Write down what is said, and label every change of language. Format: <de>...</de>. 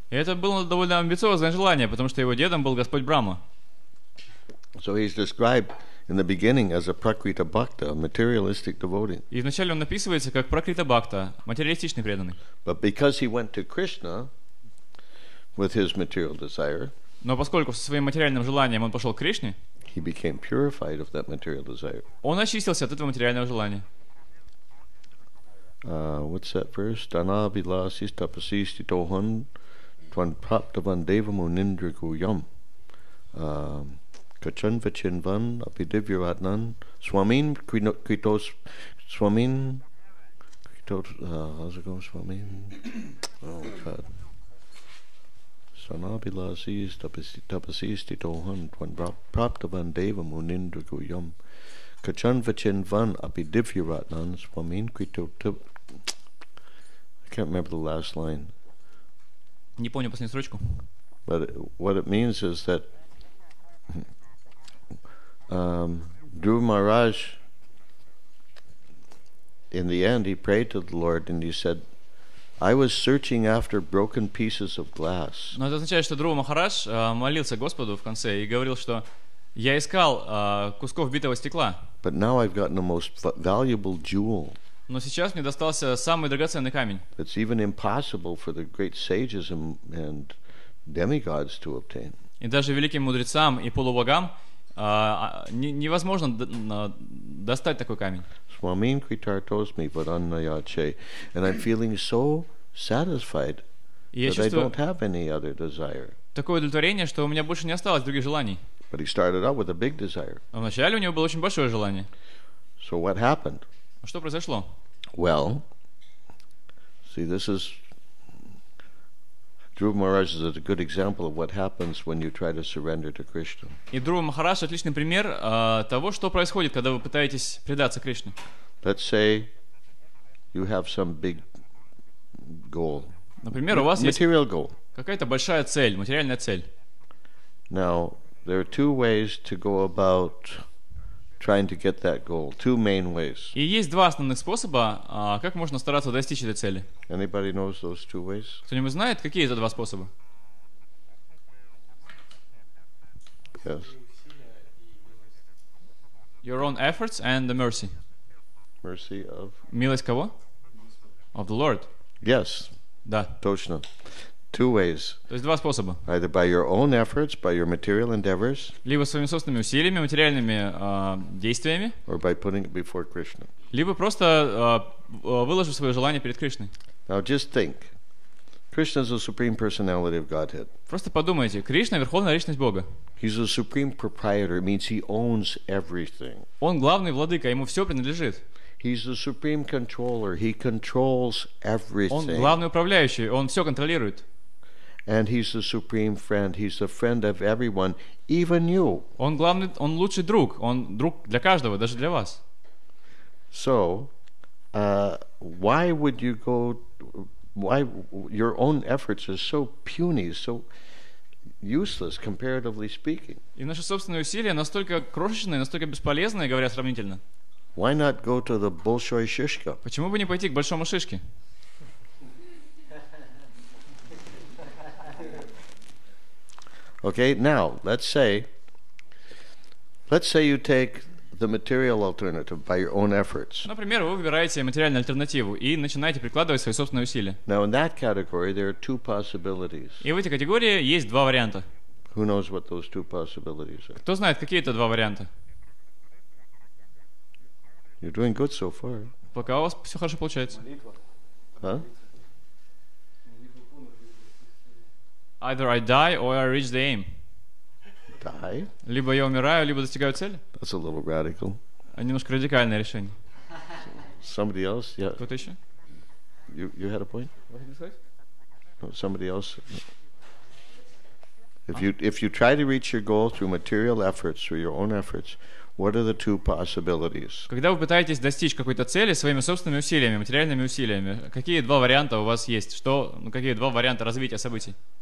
<ru>И это было довольно амбициозное желание, потому что его дедом был Господь Брахма.</ru> <en>So he's described in the beginning as a prakrita bhakta, a materialistic devotee.</en> <ru>И вначале он описывается как пракрита бхакта, материалистичный преданный.</ru> <en>But because he went to Krishna with his material desire,</en> <ru>но поскольку со своим материальным желанием он пошел к Кришне,</ru> <en>he became purified of that material desire.</en> <ru>Он очистился от этого материального желания.</ru> <en>What's that verse?</en> <sa>Dana bilasis tapasis titohan tvan praptavan devamu nindrikuyam kachan vachinvan apidivyaratnan swamin kritos swamin</sa> <en>how's it going,</en> <sa>swamin?</sa> <en>Oh, God.</en> <sa>Sanabilasis tapasis titohan tvan praptavan devamu nindrikuyam kachan vachinvan apidivyaratnan swamin kritotip.</sa> <en>I can't remember the last line.</en> <ru>Не помню последнюю строчку.</ru> <en>But what it means is that Dhruva Maharaj, in the end, he prayed to the Lord and he said, "I was searching after broken pieces of glass."</en> <ru>Но это означает, что Друва Махарадж молился Господу в конце и говорил, что я искал кусков битого стекла.</ru> <en>But now I've gotten the most valuable jewel.</en> <ru>Но сейчас мне достался самый драгоценный камень.</ru> <en>It's even impossible for the great sages and demigods to obtain.</en> <ru>И даже великим мудрецам и полубогам невозможно достать такой камень.</ru> <sa>Swamin kritartosmi varanayache,</sa> <en>and I'm feeling so satisfied that I don't have any other desire.</en> <ru>Такое удовлетворение, что у меня больше не осталось других желаний.</ru> <en>But he started out with a big desire.</en> <ru>Вначале у него было очень большое желание.</ru> <en>So what happened?</en> <ru>Что произошло?</ru> <en>Well, see, this is Dhruva Maharaj is a good example of what happens when you try to surrender to Krishna.</en> <ru>И Друва Махарадж отличный пример того, что происходит, когда вы пытаетесь предаться Кришне.</ru> <en>Let's say you have some big goal.</en> <ru>Например, у вас</ru> <en>material</en> <ru>есть</ru> <en>goal.</en> <ru>Какая-то большая цель, материальная цель.</ru> <en>Now, there are two ways to go about trying to get that goal. Two main ways.</en> <ru>И есть два основных способа, как можно стараться достичь этой цели.</ru> <en>Anybody knows those two ways?</en> <ru>Кто-нибудь знает, какие это два способа?</ru> <en>Yes. Your own efforts and the mercy. Mercy of?</en> <ru>Милость кого?</ru> <en>Of the Lord. Yes.</en> <ru>Да. Точно.</ru> <en>Two ways.</en> <ru>То есть два способа.</ru> <en>Either by your own efforts, by your material endeavors.</en> <ru>Либо своими собственными усилиями, материальными действиями.</ru> <en>Or by putting it before Krishna.</en> <ru>Либо просто выложив свое желание перед Кришной.</ru> <en>Now just think. Krishna is the supreme personality of Godhead.</en> <ru>Просто подумайте, Кришна — верховная личность Бога.</ru> <en>He's the supreme proprietor, means he owns everything.</en> <ru>Он главный владыка, ему все принадлежит.</ru> <en>He's the supreme controller, he controls everything.</en> <ru>Он главный управляющий, он все контролирует.</ru> <en>And he's the supreme friend, he's the friend of everyone, even you.</en> <ru>Он главный, он лучший друг, он друг для каждого, даже для вас.</ru> <en>So, why would you go? Why your own efforts are so puny, so useless, comparatively speaking?</en> <ru>И наши собственные усилия настолько крошечные, настолько бесполезные, говоря сравнительно.</ru> <en>Why not go to the Bolshoi Shishka?</en> <ru>Почему бы не пойти к большому шишке?</ru> <en>Okay, now let's say you take the material alternative by your own efforts.</en> <ru>Например, вы выбираете материальную альтернативу и начинаете прикладывать свои собственные усилия.</ru> <en>Now in that category there are two possibilities.</en> <ru>И в этой категории есть два варианта.</ru> <en>Who knows what those two possibilities are?</en> <ru>Кто знает, какие это два варианта?</ru> <en>You're doing good so far.</en> <ru>Пока у вас все хорошо получается. Молитва.</ru> <en>Either I die or I reach the aim. Die?</en> <ru>Либо я умираю, либо достигаю цели.</ru> <en>That's a little radical.</en> <ru>Немножко радикальное решение.</ru> <en>Somebody else, yeah.</en> <ru>Кто-то еще?</ru> <en>You had a point? Somebody else. If you try to reach your goal through material efforts, through your own efforts, what are the two possibilities?</en> <ru>Когда вы пытаетесь достичь какой-то цели своими собственными усилиями, материальными усилиями, какие два варианта у вас есть? Какие два варианта развития событий?</ru>